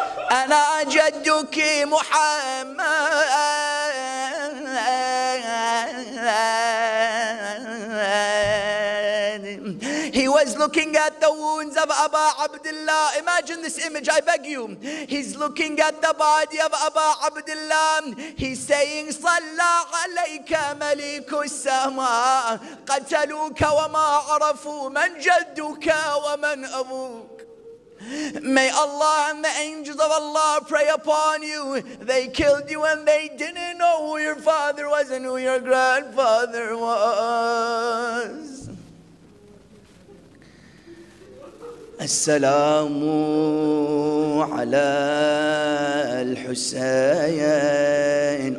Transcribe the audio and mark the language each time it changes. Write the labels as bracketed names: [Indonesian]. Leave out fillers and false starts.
[Arabic] أنا جدك محمد. [English] He was looking at the wounds of Aba Abdullah. Imagine this image, I beg you. He's looking at the body of Aba Abdullah. He's saying, [Arabic] صلى عليك ملك السماء قتلوك وما عرفوا من جدك ومن أبوك. [English] May Allah and the angels of Allah pray upon you. They killed you and they didn't know who your father was and who your grandfather was. [Arabic] As-salamu ala al-Husayn.